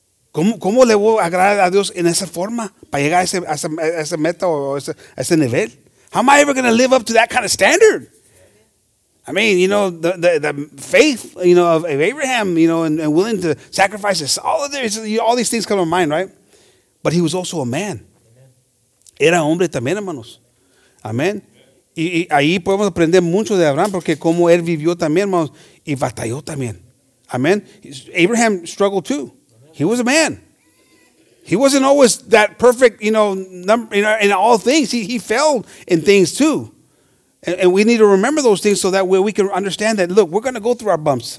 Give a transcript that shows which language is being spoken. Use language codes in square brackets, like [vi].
[es] ¿Cómo le voy a agradar a Dios en esa forma para llegar a ese meta o a ese nivel? [en] How am I ever going to live up to that kind of standard? I mean, you know, the faith, you know, of Abraham, you know, and willing to sacrifice this, all these things come to mind, right? But he was also a man. Amen. [es] Era hombre también, hermanos. Amen. Y ahí podemos aprender mucho de Abraham, porque como él vivió también, hermanos, y batalló también. [en] Amen. Abraham struggled too. He was a man. He wasn't always that perfect, you know, number, you know, in all things. He failed in things too. And we need to remember those things so that way we can understand that, look, we're going to go through our bumps.